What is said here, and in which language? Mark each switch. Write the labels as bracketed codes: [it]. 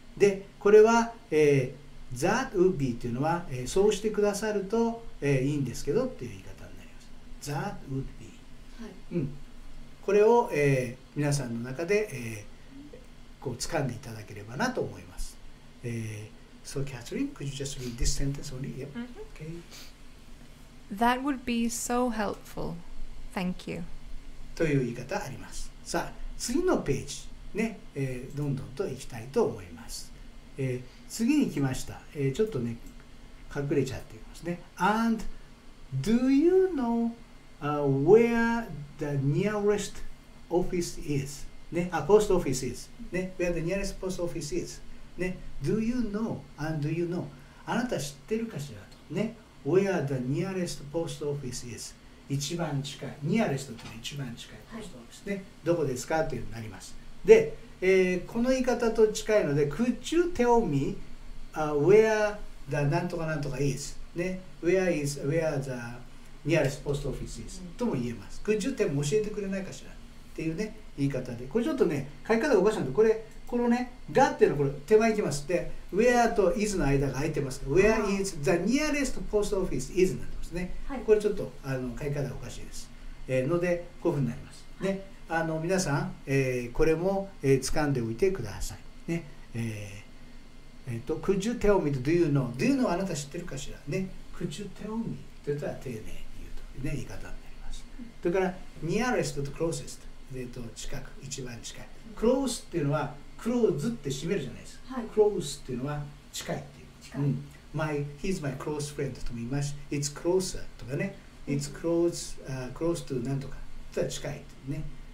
[ja] で、これは、 [en] That would be [ja] というのは、そうしてくださると、いいんですけどという言い方になります。That would be、はい、うん、これを、皆さんの中で、こう掴んでいただければなと思います。 [en] So Catherine, could you just read this sentence only? Yep. Okay. That would be so helpful. Thank you. [ja] という言い方あります。さあ、次のページ、ね、どんどんと行きたいと思います。次に来ました。ちょっとね、隠れちゃっていますね。 [en] And do you know、where the nearest office is?、ね、あ、post office is、ね。 Where the nearest post office is?、ね、do you know? And do you know? [ja] あなた知ってるかしらと。 [en] ね、Where the nearest post office is? [ja] 一番近い。 Nearest というのは一番近いポストオフィスね。はい、どこですかというのになります。 [en] で、この言い方と近いので、Could you tell me、where the 何とか何とか is?、ね、where the nearest post office is?、 [ja] うん、とも言えます。 [en] Could you tell me [ja] 教えてくれないかしらっていうね、言い方で。これちょっとね、書き方がおかしいので、これ、このね、がっていうのはこれ手前行きます。で、where と is の間が空いてます。 [en] where is the nearest post office is になってますね。 [ja] はい、これちょっとあの書き方がおかしいです。ので、こういうふうになります。はい、ね、あの皆さん、これも、掴んでおいてください。 [en] ね、could you tell me to do you know? Do you know [ja] あなた知ってるかしら、 [en] ね、could you tell me? [ja] と言ったら丁寧に言うという、ね、言い方になります。それから、nearest と closest。近く、一番近い。 close っていうのは、クローズって閉めるじゃないですか。はい、クローズっていうのは近いっていう。近い。うん、 [en] He's my close friend [ja] とも言いますし、It's closer とかね。It's close to なんとか。人は近いっていうね。